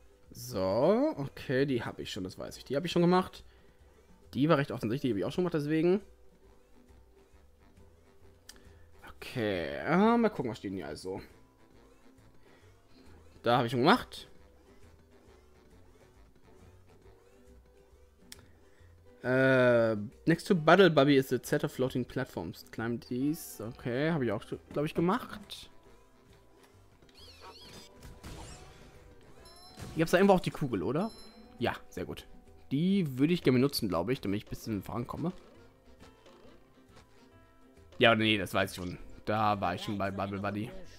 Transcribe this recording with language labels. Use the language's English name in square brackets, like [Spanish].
[German] So, okay, die habe ich schon, das weiß ich. Die habe ich schon gemacht. Die war recht offensichtlich, die habe ich auch schon gemacht, deswegen. Okay, mal gucken, was stehen hier also. Da habe ich schon gemacht. [English] Next to Battle Bubby is a set of floating platforms. Climb these. [German] Okay, habe ich auch, glaube ich, gemacht. Ich hab's da irgendwo auch die Kugel, oder? Ja, sehr gut. Die würde ich gerne benutzen, glaube ich, damit ich ein bisschen vorankomme. Ja, oder nee, das weiß ich schon. Da war ich schon bei Bubble Buddy.